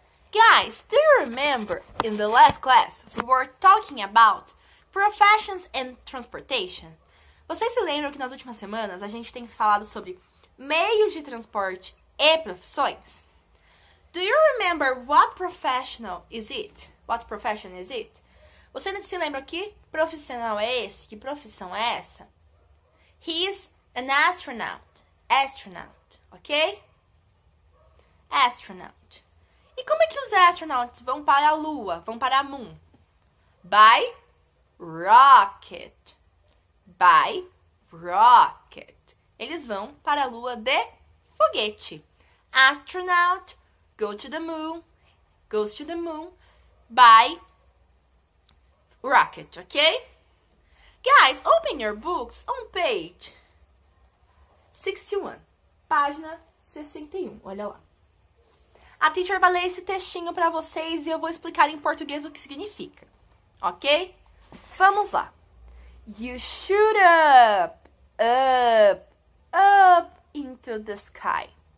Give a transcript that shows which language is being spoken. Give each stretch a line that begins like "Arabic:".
English: Guys, do you remember in the last class we were talking about professions and transportation?
Portuguese: Vocês se lembram que nas últimas semanas a gente tem falado sobre meios de transporte e profissões?
English: Do you remember what professional is it? What profession is it?
Portuguese: Você não se lembra que profissional é esse? Que profissão é essa?
English: He is an astronaut. Astronaut, ok? Astronaut.
Portuguese: E como é que os astronauts vão para a Lua, vão para a Moon?
English: By rocket. By rocket.
Portuguese: Eles vão para a Lua de foguete.
English: Astronaut, go to the Moon, goes to the Moon, by rocket, ok? Guys, open your books on page 61.
Portuguese: Página 61, olha lá. A teacher vai ler esse textinho para vocês e eu vou explicar em português o que significa. Ok? Vamos lá.
English: You shoot up, up, up into the sky.